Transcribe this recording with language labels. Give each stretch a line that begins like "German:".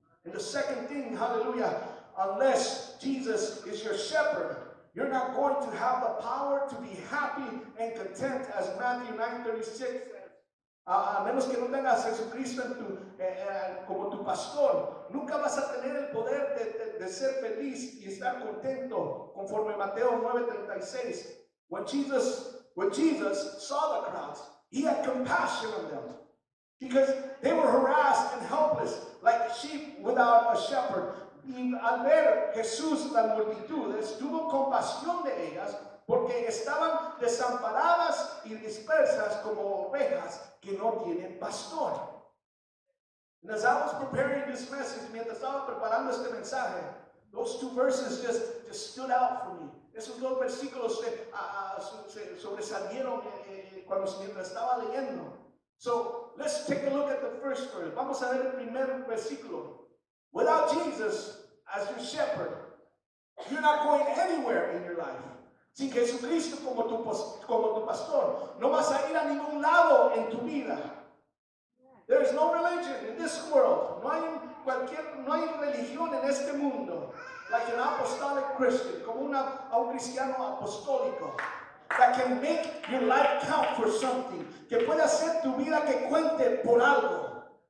English: And the second thing, hallelujah, unless Jesus is your shepherd, You're not going to have the power to be happy and content as Matthew 9:36 says.
Spanish: A menos que no tengas Jesucristo en tu, como tu pastor, nunca vas a tener el poder de ser feliz y estar contento conforme Mateo 9:36.
English: When Jesus saw the crowds, he had compassion on them because they were harassed and helpless like sheep without a shepherd.
Spanish: Y al ver Jesús las multitudes, tuvo compasión de ellas porque estaban desamparadas y dispersas como ovejas que no tienen pastor.
English: And as I was preparing this message,
Spanish: mientras estaba preparando este mensaje,
English: those two verses just stood out for me.
Spanish: Esos dos versículos se sobresalieron cuando mientras estaba leyendo.
English: So let's take a look at the first verse.
Spanish: Vamos a ver el primer versículo.
English: Without Jesus as your shepherd, you're not going anywhere in your life.
Spanish: Sin Jesucristo como tu pastor, no vas a ir a ningún lado en tu vida.
English: There is no religion in this world.
Spanish: No hay religión en este mundo.
English: Like an apostolic Christian,
Spanish: como un cristiano apostólico,
English: that can make your life count for something,
Spanish: que puede hacer tu vida que cuente por algo.